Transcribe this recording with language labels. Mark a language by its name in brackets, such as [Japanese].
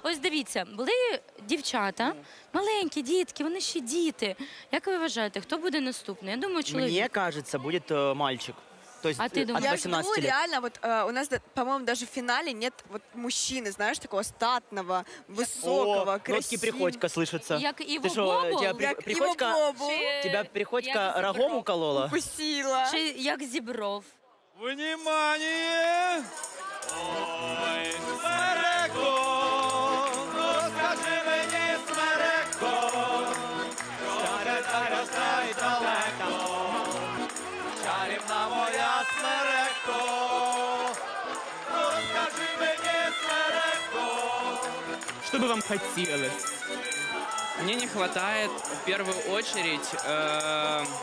[Ukrainian] Ось дивіться, були дівчата, маленькі дітки, вони ще діти. Як ви вважаєте, хто буде наступний? Я думаю, чоловік. Мені кажеться, буде мальчик. Тобто, а ти думаєш? Я ж думаю, реально, от, у нас, по-моєму, навіть в фіналі нет от, мужчини, знаєш, такого статного, високого, красивого. [Russian] Нотки Приходько слышаться. [Ukrainian] Як Іво Глобул? Як Іво Глобул. [Russian] Тебя Приходько рогом уколола? Укусила. [Ukrainian] Чи як Зібров? [Russian] Внимание! [Ukrainian] Ой, смереко! Розкажи мені, смереко! Старе, старе, стай далеко! Чарівна моя, смереко, розкажи мені, смереко, [Russian] Что бы вам хотелось? Мне не хватает, в первую очередь,